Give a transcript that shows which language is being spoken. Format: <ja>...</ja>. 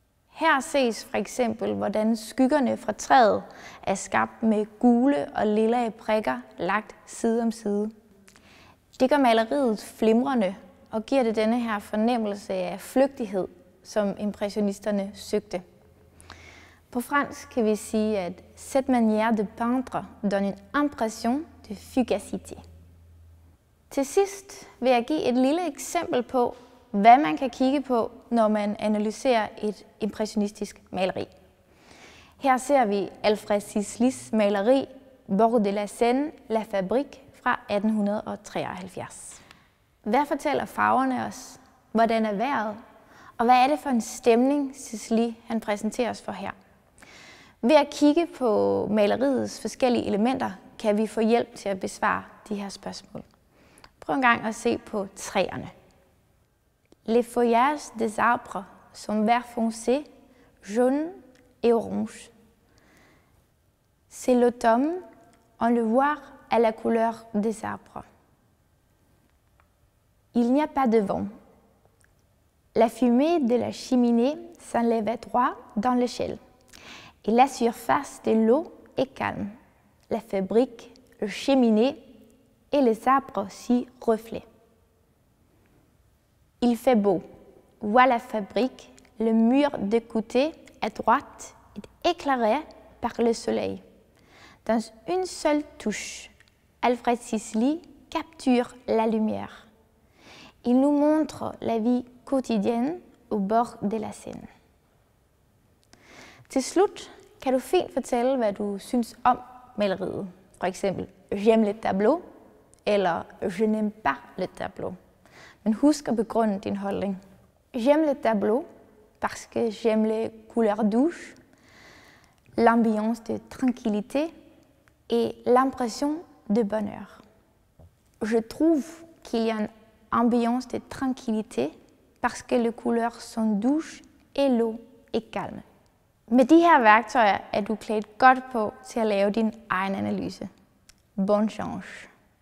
<da>Her ses for eksempel, hvordan skyggerne fra træet er skabt med gule og lilla prikker lagt side om side. Det gør maleriet flimrende og giver det denne her fornemmelse af flygtighed, som impressionisterne søgte. På fransk kan vi sige, at</da> <fr>cette manière de peindre donne une impression de fugacité.</fr> <da>Til sidst vil jeg give et lille eksempel på, hvad man kan kigge på, når man analyserer et impressionistisk maleri. Her ser vi Alfred Sisley's maleri Bord de la Seine, La Fabrique fra 1873. Hvad fortæller farverne os? Hvordan er vejret? Og hvad er det for en stemning, Sisley han præsenterer os for her? Ved at kigge på maleriets forskellige elementer, kan vi få hjælp til at besvare de her spørgsmål. Prøv en gang at se på træerne.</da> <fr>Les feuillages des arbres sont vert foncé, jaune et orange. C'est l'automne, on le voit à la couleur des arbres. Il n'y a pas de vent. La fumée de la cheminée s'enlève droit dans l'échelle. Et la surface de l'eau est calme. La fabrique, le cheminée et les arbres s'y reflètent. Il fait beau. Voilà la fabrique, le mur de côté à droite est éclairé par le soleil. Dans une seule touche, Alfred Sisley capture la lumière. Il nous montre la vie quotidienne au bord de la Seine.</fr> <da>Til slut kan du fint fortælle, hvad du synes om maleriet. For eksempel,</da> <fr>j'aime le tableau,</fr> <da>eller</da> <fr>je n'aime pas le tableau.</fr> <da>Men husk at begrunde din holdning.</da> <fr>J'aime le tableau, parce que j'aime les couleurs douces, l'ambiance de tranquillité et l'impression de bonheur. Je trouve qu'il y a une ambiance de tranquillité parce que les couleurs sont douces et l'eau est calme.</fr> <da>Med de her værktøjer er du klædt godt på til at lave din egen analyse.</da> <fr>Bonne chance!</fr>